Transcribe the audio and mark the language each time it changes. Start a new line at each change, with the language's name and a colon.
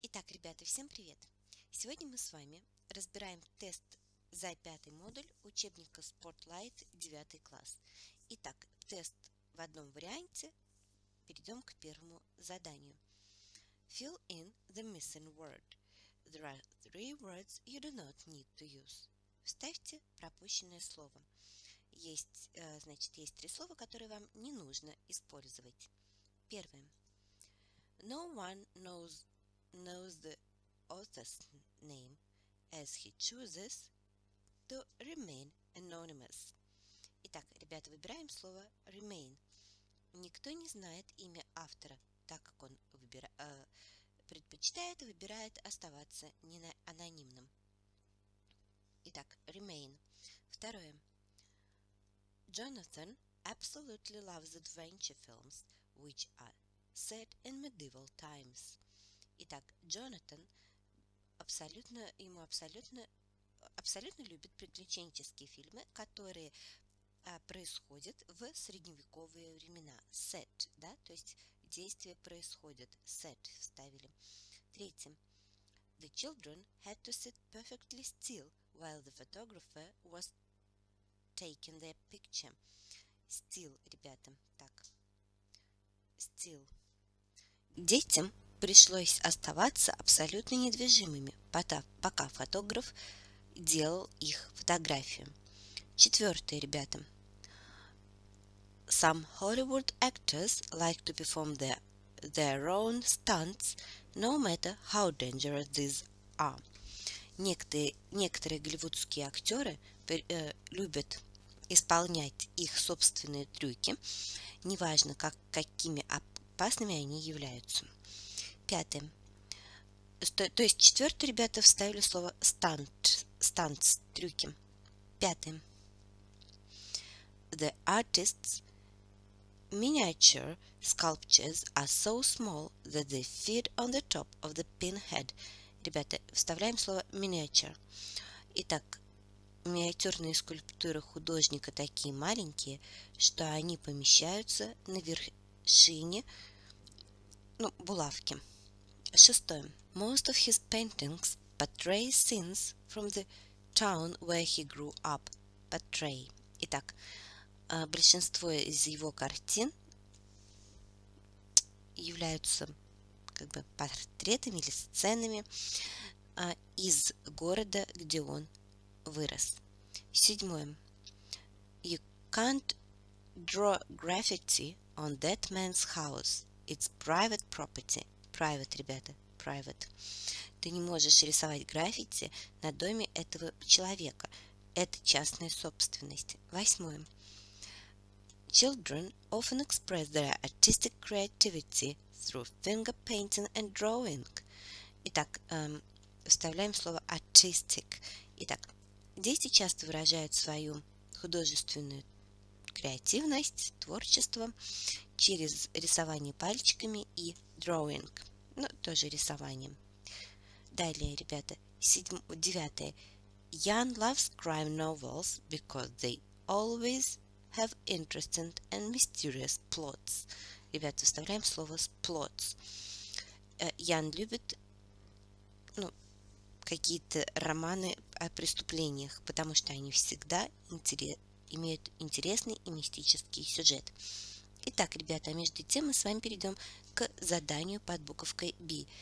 Russian: Итак, ребята, всем привет! Сегодня мы с вами разбираем тест за пятый модуль учебника Sportlight 9 класс. Итак, тест в одном варианте. Перейдем к первому заданию.
English: Fill in the missing word. There are three words you do not need to use.
Russian: Вставьте пропущенное слово. Есть три слова, которые вам не нужно использовать. Первое.
English: No one knows the author's name as he chooses to remain anonymous.
Russian: Итак, ребята, выбираем слово remain. Никто не знает имя автора, так как он выбирает оставаться анонимным. Итак,
English: remain.
Russian: Второе.
English: Jonathan absolutely loves adventure films, which are set in medieval times.
Russian: Итак, Джонатан абсолютно любит приключенческие фильмы, которые происходят в средневековые времена. Set, да, то есть действие происходит. Set вставили. Третье.
English: The children had to sit perfectly still while the photographer was taking their picture.
Russian: Still, ребята, так. Still. Детям пришлось оставаться абсолютно недвижимыми, пока фотограф делал их фотографию. Четвертое, ребята.
English: Some Hollywood actors like to perform their own stunts, no matter how dangerous these are.
Russian: Некоторые голливудские актеры любят исполнять их собственные трюки, неважно, какими опасными они являются. Пятое. То есть четвертое, ребята, вставили слово stunts, трюки. Пятое.
English: The artist's miniature sculptures are so small that they fit on the top of the pinhead.
Russian: Ребята, вставляем слово miniature. Итак, миниатюрные скульптуры художника такие маленькие, что они помещаются на вершине, булавки. Шестое.
English: Most of his paintings portray scenes from the town where he grew up. Portray.
Russian: Итак, большинство из его картин являются как бы портретами или сценами из города, где он вырос. Седьмое.
English: You can't draw graffiti on that man's house. It's private property. Private,
Russian: ребята.
English: Private.
Russian: Ты не можешь рисовать граффити на доме этого человека. Это частная собственность. Восьмое.
English: Children often express their artistic creativity through finger painting and drawing.
Russian: Итак, вставляем слово artistic. Итак, дети часто выражают свою художественную креативность, творчество через рисование пальчиками и drawing. Тоже рисованием. Далее, ребята, девятое.
English: Jan loves crime novels because they always have interesting and mysterious plots.
Russian: Ребята, вставляем слово plots. Jan любит какие-то романы о преступлениях, потому что они всегда имеют интересный и мистический сюжет. Итак, ребята, между тем мы с вами перейдем к заданию под буковкой B.